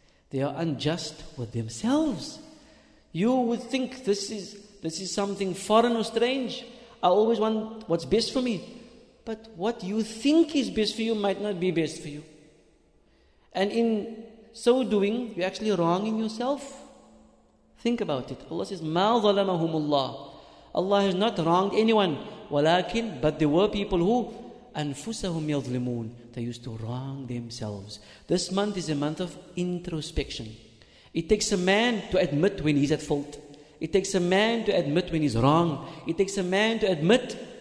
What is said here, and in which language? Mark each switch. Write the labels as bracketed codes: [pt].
[en] They are unjust with themselves. You would think this is something foreign or strange. I always want what's best for me. But what you think is best for you might not be best for you. And in so doing, you're actually wronging yourself. Think about it. Allah says, [ar] مَا ظَلَمَهُمُ اللَّهُ. [en] Allah has not wronged anyone. [ar] وَلَكِنْ [en] But there were people who [ar] أَنفُسَهُمْ يَظْلِمُونَ. [en] They used to wrong themselves. This month is a month of introspection. It takes a man to admit when he's at fault. It takes a man to admit when he's wrong. It takes a man to admit